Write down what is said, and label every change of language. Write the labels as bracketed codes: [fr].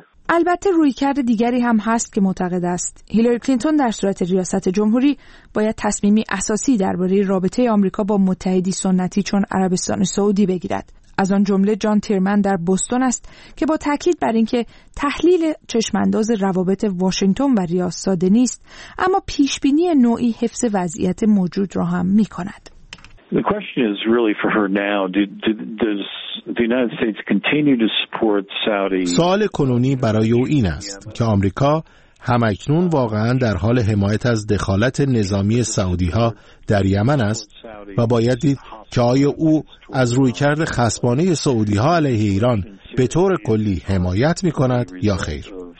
[fa] البته رویکرد دیگری هم هست که معتقد است هیلاری کلینتون در صورت ریاست جمهوری باید تصمیمی اساسی درباره رابطه آمریکا با متحدی سنتی چون عربستان سعودی بگیرد. از آن جمله جان تیرمن در بوستون است که با تاکید بر اینکه تحلیل چشمانداز روابط واشنگتن و ریاض ساده نیست، اما پیش بینی نوعی حفظ وضعیت موجود را هم می کند. [en] The question is really for her now. Does the United States continue to support Saudi? [fa] سوال کنونی برای او این است که آمریکا هم‌اکنون واقعاً در حال حمایت از دخالت نظامی سعودی‌ها در یمن است و باید دید که آیا او از رویکرد خصمانه سعودی‌ها علیه ایران به طور کلی حمایت می‌کند یا خیر.